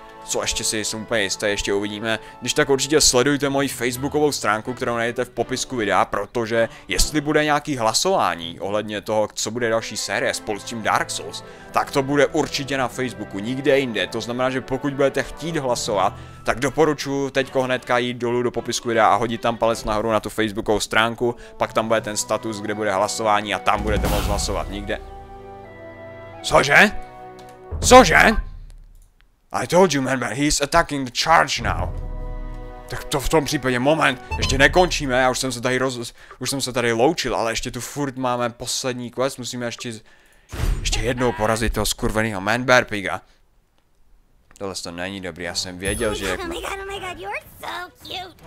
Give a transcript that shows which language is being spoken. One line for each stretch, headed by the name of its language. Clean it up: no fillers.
Czech: Co ještě si jsem úplně jisté, ještě uvidíme. Když tak určitě sledujte moji facebookovou stránku, kterou najdete v popisku videa, protože jestli bude nějaký hlasování ohledně toho, co bude další série spolu s tím Dark Souls, tak to bude určitě na Facebooku, nikde jinde. To znamená, že pokud budete chtít hlasovat, tak doporučuji teďko hnedka jít dolů do popisku videa a hodit tam palec nahoru na tu facebookovou stránku, pak tam bude ten status, kde bude hlasování a tam budete moct hlasovat, nikde. Cože?
English: I told you, man, he's attacking the charge now.
Czech: Tak to v tom případě, moment, ještě nekončíme, já už jsem se tady loučil, ale ještě tu furt máme poslední quest, musíme ještě jednou porazit toho skurvenýho Man Bear Piga. Tohle to není dobrý, já jsem věděl, že jak...
English: Oh my god, you're so cute.